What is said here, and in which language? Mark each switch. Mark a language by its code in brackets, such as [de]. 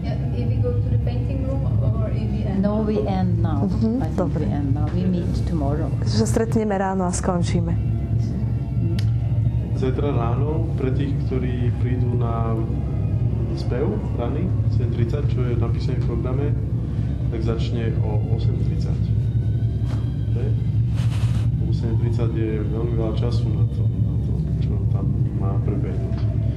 [en] Yeah, if we go to the painting room or if we end? No, we end now. Mm-hmm. I think we end now. We meet tomorrow. [sk] Že stretneme ráno a skončíme. Zajtra ráno, pre tých, ktorí prídu na spev rany 7.30, čo je napísané v programe, tak začne o 8.30. Okay? 8.30 je veľmi veľa času na to, čo tam má prebehnúť.